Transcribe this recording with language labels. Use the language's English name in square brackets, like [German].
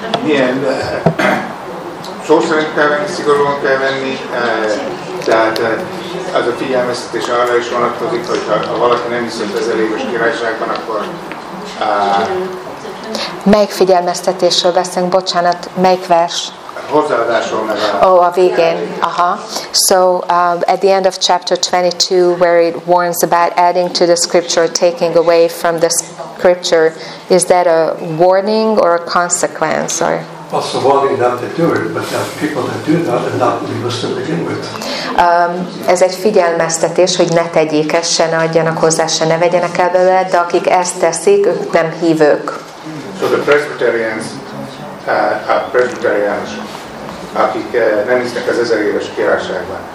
[Hungarian] Milyen szó szerint kell venni, szigorúan kell venni, tehát az a figyelmeztetés arra is vonatkozik, hogy ha valaki nem hisz az ezeréves királyságban, akkor Melyik figyelmeztetésről beszélünk? Bocsánat, melyik vers? Hozzáadásról meg a végén. Aha. [English] So, at the end of chapter 22, where it warns about adding to the scripture, taking away from the scripture, is that a warning or a consequence? Or? [Hungarian] Hát, [English] also worthy not to do it, but there are people that do that and not be Muslim to begin with. [Hungarian] Ez egy figyelmeztetés, hogy ne tegyék ezt, se ne adjanak hozzá, se ne vegyenek el bele, de akik ezt teszik, ők nem hívők. [English] So the Presbyterians are Presbyterians, [Hungarian] akik nem hisznek az ezer éves királyságban.